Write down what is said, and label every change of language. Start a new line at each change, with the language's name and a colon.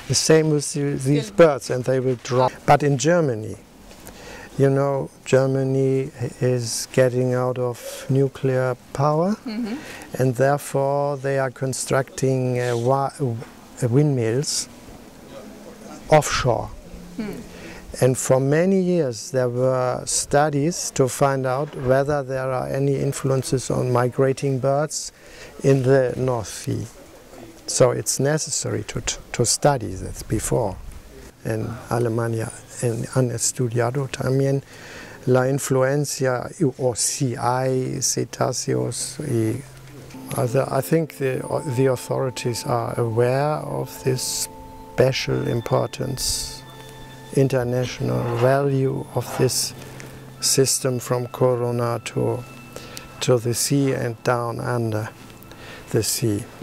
English: The same with these birds, and they will drop. But in Germany, you know, Germany is getting out of nuclear power, and therefore they are constructing windmills offshore. And for many years there were studies to find out whether there are any influences on migrating birds in the North Sea. So it's necessary to study this before.
Spanish: En Alemania, en han estudiado también la influencia o si hay cetáceos.
English: I think the authorities are aware of this special importance, international value of this system from Corona to the sea and down under the sea.